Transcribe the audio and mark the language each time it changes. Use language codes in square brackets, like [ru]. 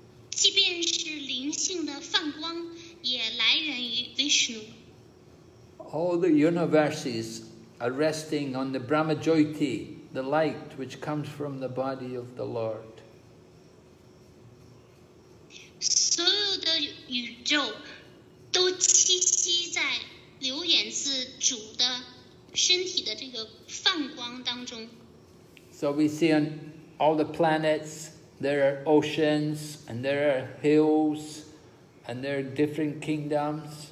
[zh] 即便是灵性的梵光，也来源于 Vishnu。 [en] All the universes are resting on the Brahma Jyoti, the light which comes from the body of the Lord. [zh] 所有的宇宙都栖息在流眼自主的身体的这个梵光当中。 [en] So we see on all the planets. There are oceans, and there are hills, and there are different kingdoms.